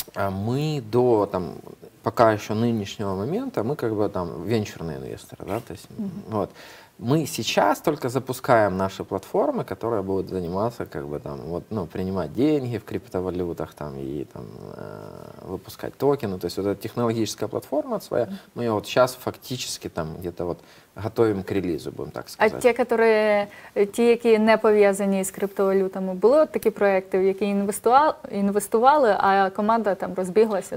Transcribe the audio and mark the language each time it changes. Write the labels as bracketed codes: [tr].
[uk] Ми до, там, поки ще нинішнього моменту, ми, [ru] как бы, [uk] там, венчурні інвестори. [ru] Да? То есть, mm-hmm. вот. Мы сейчас только запускаем наши платформы, которые будут заниматься, как бы там, вот, ну, принимать деньги в криптовалютах там, и там, выпускать токены. То есть вот эта технологическая платформа своя, мы ее вот сейчас фактически там где-то вот готовим к релизу, будем так сказать. [uk] А те, которые, те, які не пов'язані з криптовалютами, були от такі проекти, в які інвестували, а команда там розбіглася?